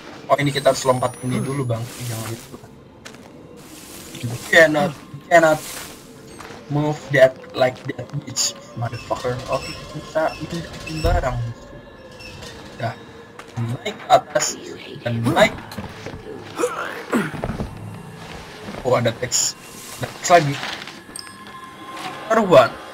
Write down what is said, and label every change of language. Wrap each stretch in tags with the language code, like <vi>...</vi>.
<id>Oh ini kita harus lompat ini dulu bang, jangan itu.</id> <en>You cannot move that like that bitch, motherfucker.</en> <id>Oke okay, kita pindahin barang. Dah naik ke atas dan naik. Oh ada teks, teks lagi. Teruan.</id>